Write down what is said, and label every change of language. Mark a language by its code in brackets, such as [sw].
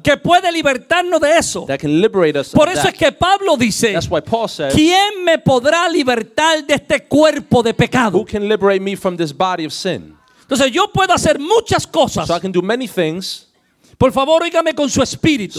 [es] Que puede libertarnos de eso. [en] That can liberate us. [es] Por eso [en] that. [es] Es que Pablo dice. [en] That's why Paul says. [es] ¿Quién me podrá libertar de este cuerpo de pecado? [en] Who can liberate me from this body of sin? [es] Entonces yo puedo hacer muchas cosas. [en] So I can do many things. [es] Por favor, oígame con su espíritu.